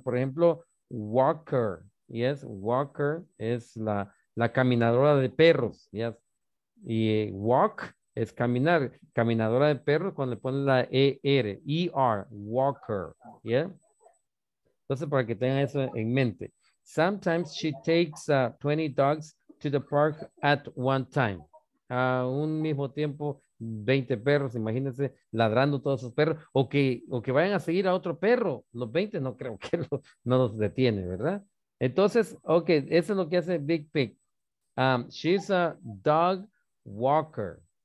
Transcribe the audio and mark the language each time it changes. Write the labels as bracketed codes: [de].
[es] Por ejemplo, walker. Yes, walker es la caminadora de perros. Yes. Y walk. Es caminar, caminadora de perros, cuando le ponen la ER, ER, walker, yeah. Entonces, para que tengan eso en mente. [en] Sometimes she takes 20 dogs to the park at one time. [es] A un mismo tiempo, 20 perros, imagínense, ladrando todos esos perros. O que vayan a seguir a otro perro, los 20 no creo que no los detiene, ¿verdad? Entonces, ok, eso es lo que hace Big Pig. [en] She's a dog walker.